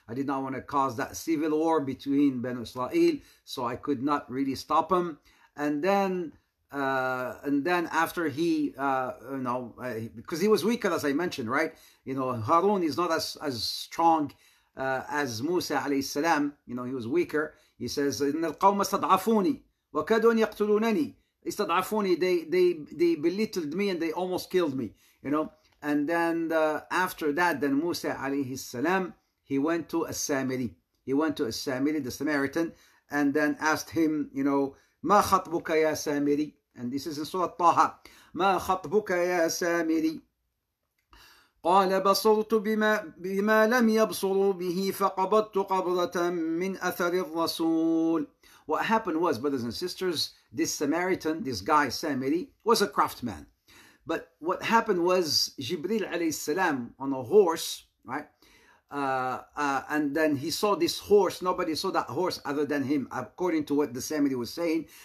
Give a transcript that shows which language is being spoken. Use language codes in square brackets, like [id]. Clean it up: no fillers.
[en] I did not want to cause that civil war between Banu Israel, so I could not really stop him. And then after he, because he was weaker, as I mentioned, right? You know, Harun is not as strong as Musa alayhi salam. You know, he was weaker. He says, [ar] "إن القوم استضعفوني وكادوا أن يقتلونني." [en] Istadafuni, they belittled me and they almost killed me, you know. And then after that, then Musa alayhi salam, he went to As-Samiri. He went to As-Samiri, the Samaritan, and then asked him, you know, [ar] ما خطبك يا سامري? [en] And this is in Surah Taha. [ar] ما خطبك يا سامري? قال بصرت بما لم يبصروا به فقبضت قبضة من أثر الرسول. [en] What happened was, brothers and sisters, this Samaritan, this guy, Samiri, was a craftsman. But what happened was, Jibril alayhi salam on a horse, right? And then he saw this horse. Nobody saw that horse other than him, according to what the Samiri was saying.